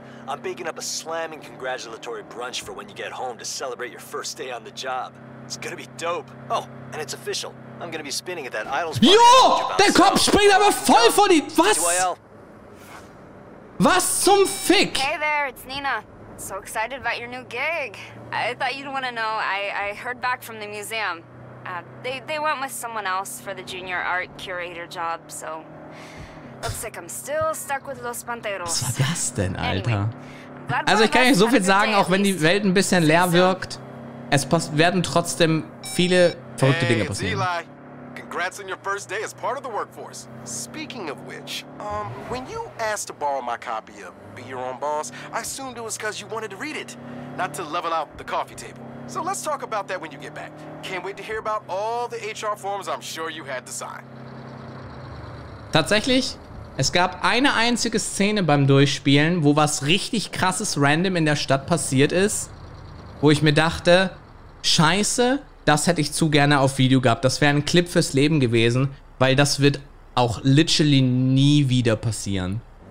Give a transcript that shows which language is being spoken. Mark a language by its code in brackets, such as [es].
[en] I'm baking up a slamming congratulatory brunch for when you get home to celebrate your first day on the job. It's gonna be dope. Oh, and it's official. I'm gonna be spinning at that idol's party. Jo! [de] Der Kopf springt aber voll vor die... Was? Was zum Fick? [en] Hey there, it's Nina. So excited about your new gig. I thought you'd want to know. I heard back from the museum. They went with someone else for the junior art curator job, so looks like I'm still stuck with Los Panteros. [de] Was war das denn, Alter? Anyway, also ich kann euch so viel sagen, auch wenn die Welt ein bisschen leer wirkt, es werden trotzdem viele verrückte Dinge passieren. [en] Congrats on your first day as part of the workforce. Speaking of which, when you asked to borrow my copy of Be Your Own Boss, I assumed it was because you wanted to read it, not to level out the coffee table. So let's talk about that when you get back. Can't wait to hear about all the HR forms I'm sure you had to sign. [de] Tatsächlich, es gab eine einzige Szene beim Durchspielen, wo was richtig krasses random in der Stadt passiert ist, wo ich mir dachte, scheiße, das hätte ich zu gerne auf Video gehabt. Das wäre ein Clip fürs Leben gewesen, weil das wird auch literally nie wieder passieren.